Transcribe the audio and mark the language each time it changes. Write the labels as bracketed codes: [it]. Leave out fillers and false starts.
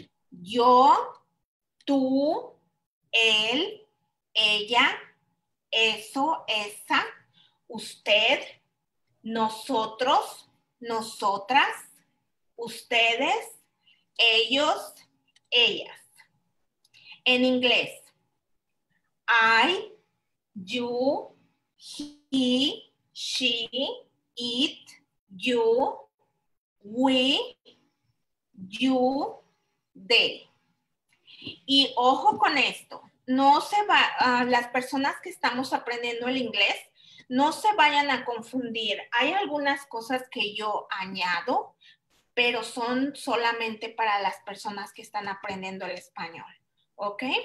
[es] Yo, tú, él, ella, eso, esa, usted, nosotros, nosotras, ustedes, ellos, ellas. En inglés. [en] I, you, he, she, it, you, we, you, they. [es] Y ojo con esto, no se va, las personas que estamos aprendiendo el inglés, no se vayan a confundir. Hay algunas cosas que yo añado, pero son solamente para las personas que están aprendiendo el español, ¿ok?